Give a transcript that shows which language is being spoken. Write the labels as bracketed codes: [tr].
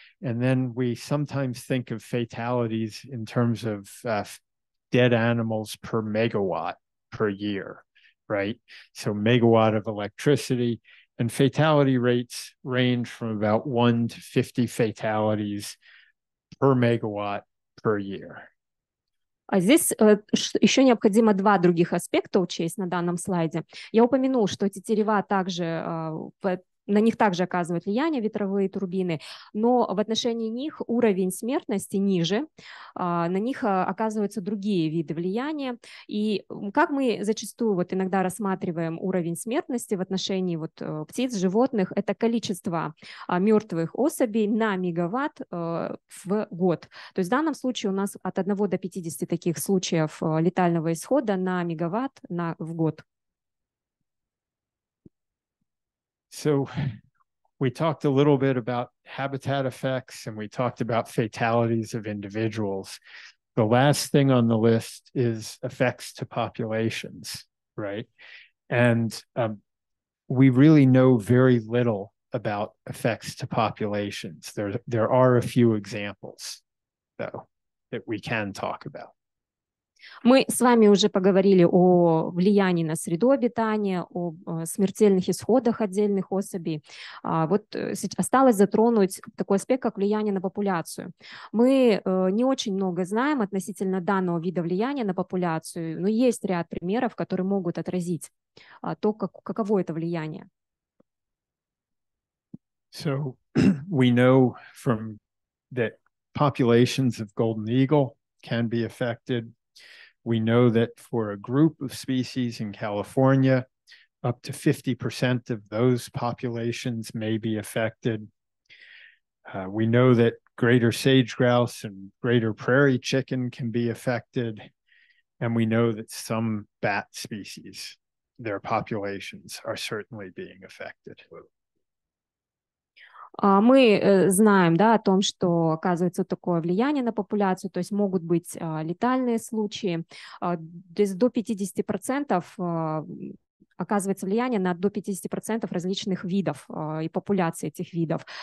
[en] And then we sometimes think of fatalities in terms of dead animals per megawatt per year, right? So megawatt of electricity, and fatality rates range from about 1 to 50 fatalities per megawatt per year. [ru] А здесь еще необходимо два других аспекта учесть на данном слайде. Я упомянул, что тетерева также, на них также оказывают влияние ветровые турбины, но в отношении них уровень смертности ниже, на них оказываются другие виды влияния. И как мы зачастую вот иногда рассматриваем уровень смертности в отношении вот птиц, животных, это количество мертвых особей на мегаватт в год. То есть в данном случае у нас от 1 до 50 таких случаев летального исхода на мегаватт в год. [en] So we talked a little bit about habitat effects, and we talked about fatalities of individuals. The last thing on the list is effects to populations, right? And we really know very little about effects to populations. There are a few examples, though, that we can talk about. [ru] Мы с вами уже поговорили о влиянии на среду обитания, о смертельных исходах отдельных особей. Вот осталось затронуть такой аспект, как влияние на популяцию. Мы не очень много знаем относительно данного вида влияния на популяцию, но есть ряд примеров, которые могут отразить то, каково это влияние. [en] So we know from that populations of golden eagle can be affected. We know that for a group of species in California, up to 50% of those populations may be affected. We know that greater sage grouse and greater prairie chicken can be affected. And we know that some bat species, their populations are certainly being affected. [ru] Мы знаем, да, о том, что оказывается такое влияние на популяцию, то есть могут быть летальные случаи, то есть до 50% оказывается влияние на до 50% различных видов и популяции этих видов.